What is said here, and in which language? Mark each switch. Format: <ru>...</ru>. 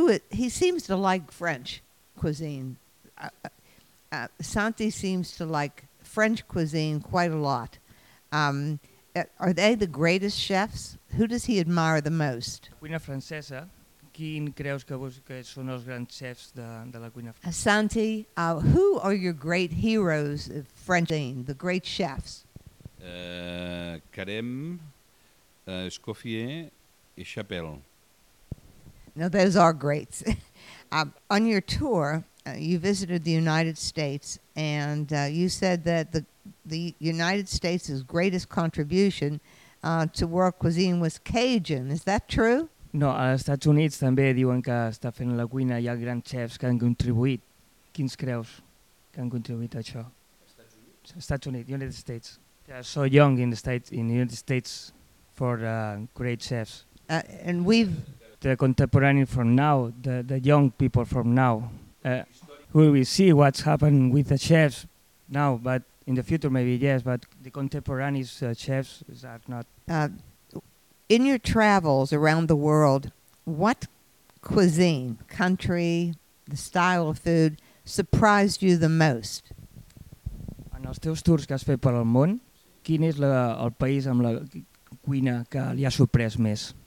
<en>He seems to like French cuisine. Santi seems to like French cuisine quite a lot. Are they the greatest chefs? Who does he admire the most?</en> <ca>Cuina francesa. Quin creus que vos que són els grans chefs de la cuina francesa?</ca> <en>Santi, who are your great heroes of French cuisine, the great chefs? Carême, Escoffier, and Chapelle. Now those are greats. On your tour, you visited the United States, and you said that the United States' greatest contribution to world cuisine was Cajun. Is that true?</en> <ca>No, als Estats Units també diuen que està fent la cuina i hi ha grans chefs que han contribuït. Quins creus que han contribuït a això? Estats Units.</ca> <en>Estats Units, United States. They are so young in the States, in the United States for great chefs. And we've... The contemporary from now, the young people from now. We will see what's happening with the chefs now, but in the future maybe yes, but the contemporary chefs are not... In your travels around the world, what cuisine, country, the style of food surprised you the most?</en> <ca>En els teus tours que has fet per al món, quin és el país amb la cuina que li ha sorprès més?</ca>